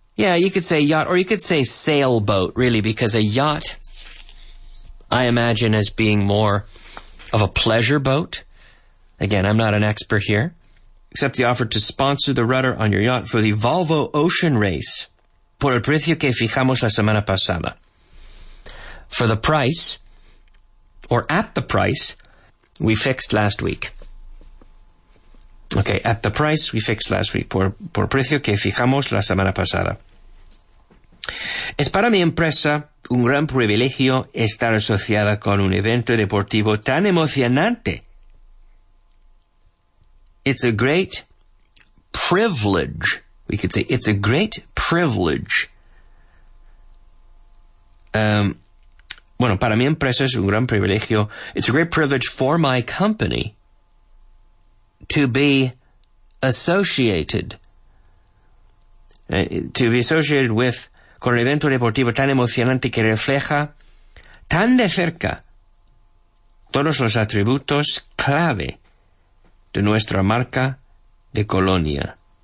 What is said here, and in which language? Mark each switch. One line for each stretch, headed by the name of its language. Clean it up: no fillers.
English: Yeah, you could say yacht, or you could say sailboat, really, because a yacht, I imagine as being more of a pleasure boat. Again, I'm not an expert here. Accept the offer to sponsor the rudder on your yacht for the Volvo Ocean Race.
Spanish: Por el precio que fijamos la semana pasada.
English: For the price, or at the price, we fixed last week. Okay, at the price we fixed last week.
Spanish: Por precio que fijamos la semana pasada. Es para mi empresa un gran privilegio estar asociada con un evento deportivo tan emocionante.
English: It's a great privilege. We could say it's a great privilege.
Spanish: Bueno, para mi empresa es un gran privilegio.
English: It's a great privilege for my company to be associated. To be associated with
Spanish: con un evento deportivo tan emocionante que refleja tan de cerca todos los atributos clave de nuestra marca de colonia.